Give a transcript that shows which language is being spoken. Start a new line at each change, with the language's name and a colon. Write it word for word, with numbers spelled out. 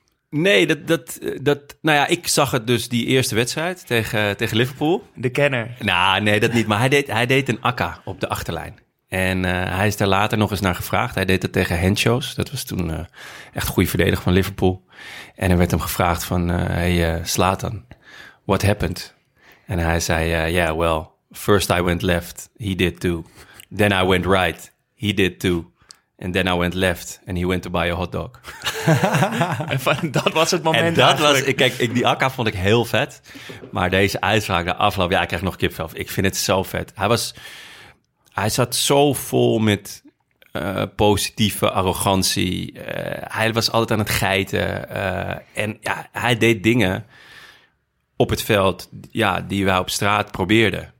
Dutch: Nee, dat, dat, dat, nou ja, ik zag het dus die eerste wedstrijd tegen, tegen Liverpool. De kenner. Nou, nee, dat niet. Maar hij deed, hij deed een akka op de achterlijn. En uh, hij is daar later nog eens naar gevraagd. Hij deed dat tegen Hencho's. Dat was toen uh, echt een goede verdediger van Liverpool. En er werd hem gevraagd van, uh,
English: hey uh, Zlatan, what happened?
Dutch: En hij zei, uh,
English: yeah, well, first I went left, he did too. Then I went right, he did too. And then I went left and he went to buy a hot dog.
Dutch: En van, dat was het moment en dat eigenlijk. was, kijk, ik, die akka vond ik heel vet. Maar deze uitspraak, de afloop, ja, ik krijg nog kipvel. Ik vind het zo vet. Hij was, hij zat zo vol met uh, positieve arrogantie. Uh, hij was altijd aan het geiten. Uh, en ja, hij deed dingen op het veld, ja, die wij op straat probeerden.